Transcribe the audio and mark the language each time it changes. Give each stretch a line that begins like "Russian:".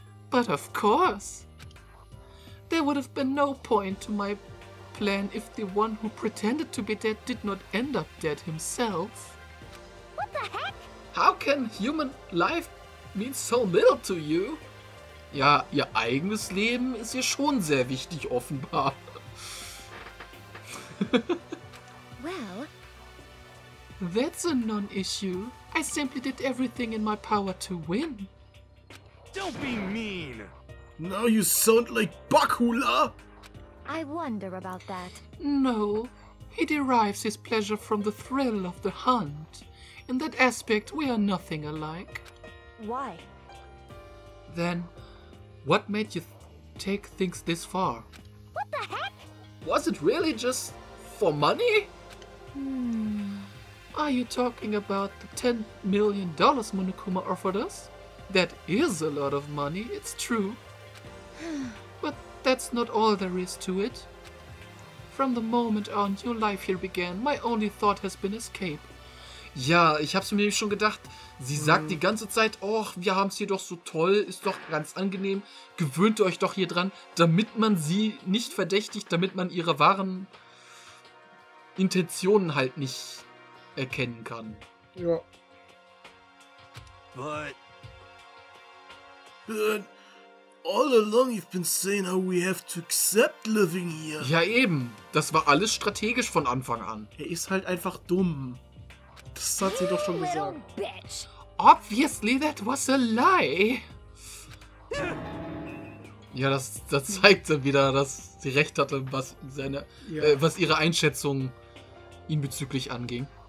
English: But of course. There would have been no point to my plan if the one who pretended to be dead did not end up dead himself. What the heck? How can human life mean so little to you?
German: Ja, ihr eigenes Leben ist ihr schon sehr wichtig, offenbar.
English: Well, that's a non-issue. I simply did everything in my power to win. Don't be mean! Now you sound like Bakula! I wonder about that. No, he derives his pleasure from the thrill of the hunt. In that aspect, we are nothing alike. Why? Then, what made you take things this far? What the heck? Was it really just for money? Are you talking about the $10 million Monokuma offered us? That is a lot of money, it's true. But that's not all there is to it. From the moment our new life here began, my only thought has been escape.
German: Ja, ich hab's mir schon gedacht. Sie sagt die ganze Zeit, oh, wir haben's hier doch so toll, ist doch ganz angenehm. Gewöhnt euch doch hier dran, damit man sie nicht verdächtigt, damit man ihre wahren Intentionen halt nicht erkennen kann. Ja.
English: But... All along you've been saying how we have to accept living here.
German: Ja eben, das war alles strategisch von Anfang an. Er ist halt einfach dumm. Das hat sie doch schon gesagt.
English: Bitch. Obviously that was a lie.
German: Ja, das zeigt dann wieder, dass sie recht hatte, was seine, was ihre Einschätzung ihm bezüglich anging.